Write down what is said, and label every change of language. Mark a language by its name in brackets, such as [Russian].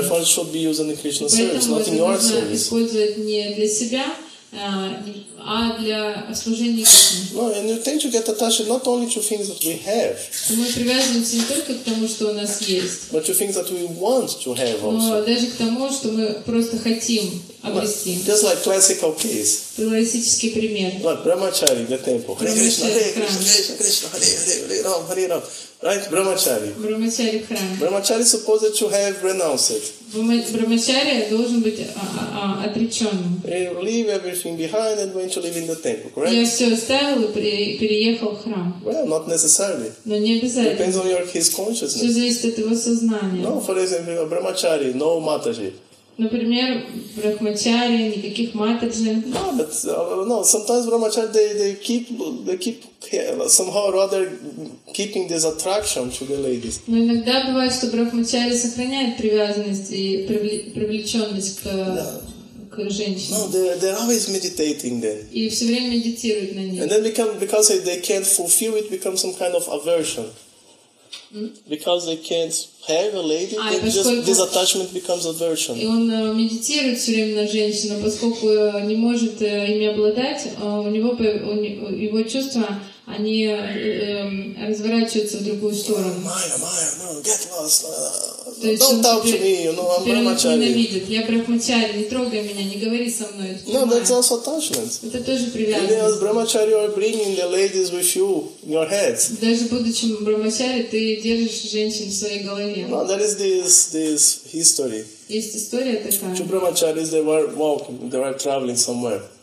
[English] Therefore, it should be used in the Krishna service, not in your service. [Russian] Поэтому это нужно использовать не для себя, а для служения Кришне. [English] No, and you tend to get attached not only to things that we have. [Russian] Мы привязываемся не только к тому, что у нас есть. [English] But to things that we want to have also. [Russian] Но даже к тому, что мы просто хотим обрести. [English] Well, just like classical case. [Russian] Классический пример. [English] Вот, Брамачари, the temple. Hare Krishna, Hare Krishna, Hare Krishna, Hare Hare, Hare Ram, Hare Ram. Right, Brahmachari. [Russian] Brahmachari храм. [English] Brahmachari is supposed to have renounced. [Russian] Brahmachari должен быть отреченным. [English] He leave everything behind and went to live in the temple, correct? [Russian] Я все оставил и переехал в храм. [English] Well, not necessarily. [Russian] Но не обязательно. [English] Depends on his consciousness. [Russian] Все зависит от его сознания. [English] No, for example, Brahmachari, no Mataji. [Russian] Например, Брахмачари, никаких матаджи. [English] No, sometimes Брахмачари, they keep somehow or other keeping this attraction to the ladies. [Russian] Но иногда бывает, что Брахмачари сохраняет привязанность и привлеченность к, yeah. к женщинам. [English] No, they're always meditating then. [Russian] И все время медитируют на них. [English] And then because they can't fulfill it, becomes some kind of aversion. Because they can't have a lady, then just this attachment becomes aversion. [Russian] И он медитирует все время на женщину, поскольку не может ими обладать, его чувства они разворачиваются в другую сторону. Майя, no, как вас? Ну, там же мы, ну, вам промочали. Теперь он меня ненавидит. Я промочали, не трогай меня, не говори со мной. [English] No, that's also attachment. [Russian] Это тоже привязанность. [English] And then брамачари are bringing the ladies with you in your heads. [Russian] Даже будучи брамачари, ты держишь женщин в своей голове. [English] No, that is this history. [Russian] Есть история такая. [English] Two brahmacharis, they were walking, they were traveling somewhere.